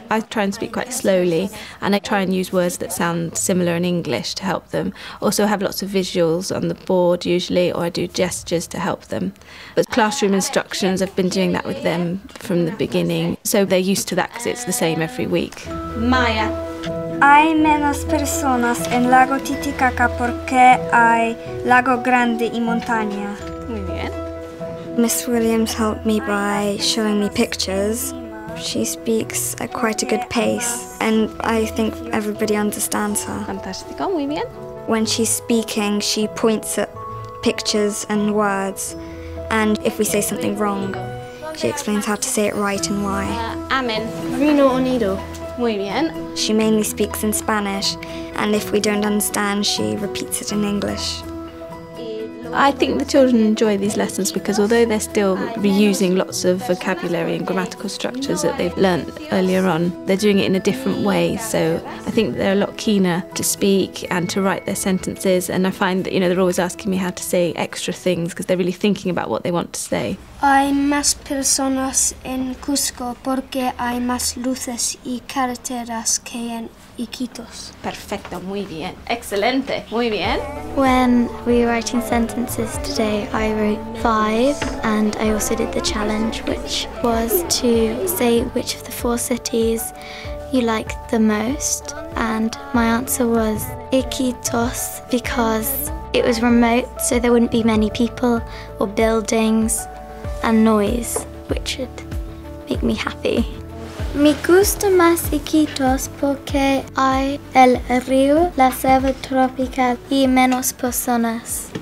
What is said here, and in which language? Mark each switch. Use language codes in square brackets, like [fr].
[en] I try and speak quite slowly, and I try and use words that sound similar in English to help them. Also have lots of visuals on the board usually, or I do gestures to help them. But classroom instructions, I've been doing that with them from the beginning, so they're used to that because it's the same every week. Maya. [es] Hay menos personas en Lago Titicaca porque hay lago grande y montaña. Muy bien. [en] Miss Williams helped me by showing me pictures. She speaks at quite a good pace, and I think everybody understands her. [es] Fantástico, muy bien. [en] When she's speaking, she points at pictures and words, and if we say something wrong, she explains how to say it right and why. Amen. [es] Reino Unido. Muy bien. [en] She mainly speaks in Spanish, and if we don't understand, she repeats it in English. I think the children enjoy these lessons because although they're still reusing lots of vocabulary and grammatical structures that they've learnt earlier on, they're doing it in a different way. So I think they're a lot keener to speak and to write their sentences. And I find that, you know, they're always asking me how to say extra things because they're really thinking about what they want to say. [es] Hay más personas en Cusco porque hay más luces y carreteras que en Iquitos. Perfecto, muy bien. Excelente, muy bien. [en] When we were writing sentences today, I wrote 5 and I also did the challenge, which was to say which of the 4 cities you like the most. And my answer was Iquitos because it was remote, so there wouldn't be many people or buildings and noise, which would make me happy. [es] Me gusta más Iquitos porque hay el río, la selva tropical y menos personas.